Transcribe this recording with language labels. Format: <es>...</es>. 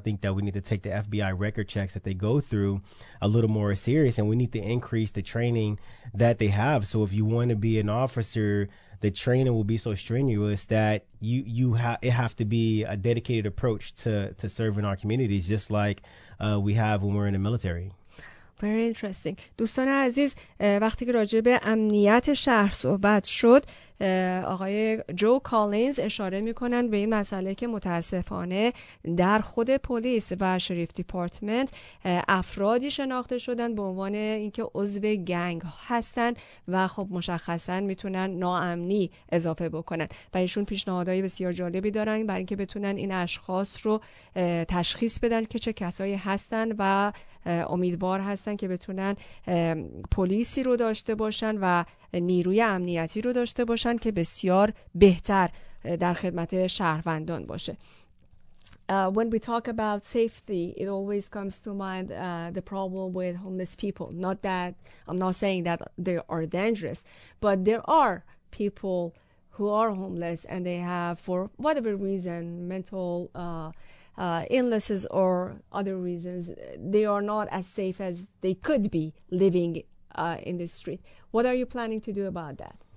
<en>I think that we need to take the FBI record checks that they go through a little more serious, and we need to increase the training that they have. So if you want to be an officer, the training will be so strenuous that it have to be a dedicated approach to serving our communities, just like we have when we're in the military. Very interesting.</en> <fa>دوستان عزیز، وقتی که راجع به امنیت شهر صحبت شد، آقای جو کالینز اشاره می‌کنند به این مسئله که متاسفانه در خود پلیس و شریف دیپارتمنت افرادی شناخته شدند به عنوان اینکه عضو گنگ هستند و خب مشخصاً میتونن ناامنی اضافه بکنن و ایشون پیشنهادهای بسیار جالبی دارن برای اینکه بتونن این اشخاص رو تشخیص بدن که چه کسایی هستند و امیدوار هستن که بتونن پلیسی رو داشته باشن و نیروی امنیتی رو داشته باشن که بسیار بهتر در خدمت شهروندان باشه.</fa> <en>When we talk about safety, it always comes to mind the problem with homeless people. Not that I'm not saying that they are dangerous, but there are people who are homeless and they have, for whatever reason, mental illnesses or other reasons, they are not as safe as they could be living in the street. What are you planning to do about that?</en>